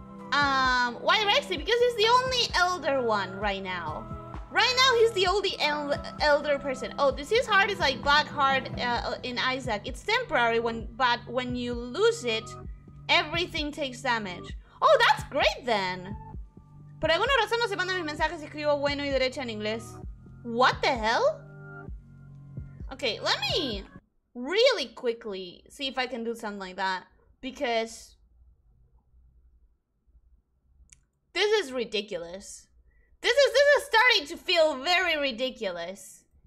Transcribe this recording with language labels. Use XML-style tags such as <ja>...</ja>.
<en>Why Rexy? Because he's the only elder one right now. Right now, he's the only elder person. Oh, this is hard. It's like black heart in Isaac. It's temporary, but when you lose it, everything takes damage. Oh, that's great then.</en> <es>Por alguna razón no se mandan mis mensajes y escribo bueno y derecha en inglés.</es> <en>What the hell? Okay, let me really quickly see if I can do something like that. Because this is ridiculous. This is starting to feel very ridiculous.</en>